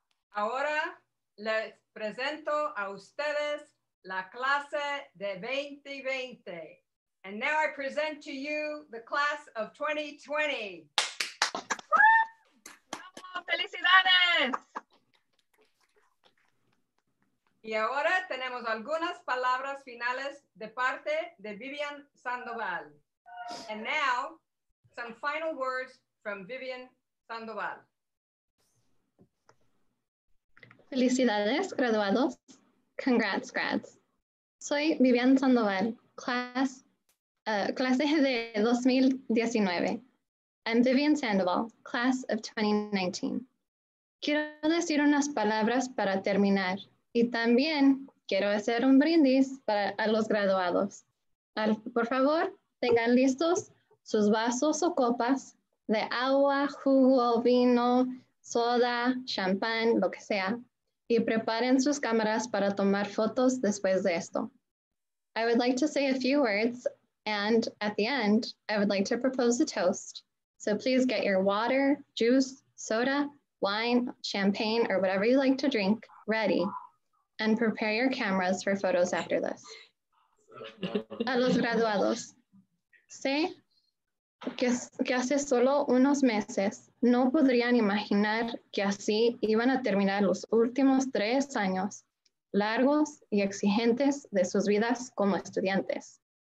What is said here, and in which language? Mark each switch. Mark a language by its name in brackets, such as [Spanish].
[Spanish] Ahora les presento a ustedes la clase de 2020. [English] And now I present to you the class of 2020. [Spanish] ¡Bravo! ¡Felicidades! Y ahora tenemos algunas palabras finales de parte de Vivian Sandoval. [English] And now, some final words from Vivian Sandoval. [Spanish] Felicidades, graduados. [English] Congrats, grads. [Spanish] Soy Vivian Sandoval, clase de 2019. [English] I'm Vivian Sandoval, class of 2019. [Spanish] Quiero decir unas palabras para terminar. Y también quiero hacer un brindis para a los graduados. Por favor, tengan listos sus vasos o copas de agua, jugo, vino, soda, champán, lo que sea. Y preparen sus cámaras para tomar fotos después de esto. [English] I would like to say a few words, and at the end, I would like to propose a toast. So please get your water, juice, soda, wine, champagne, or whatever you like to drink ready, and prepare your cameras for photos after this. [Spanish] A los graduados, sé que hace solo unos meses no podrían imaginar que así iban a terminar los últimos 3 años largos y exigentes de sus vidas como estudiantes.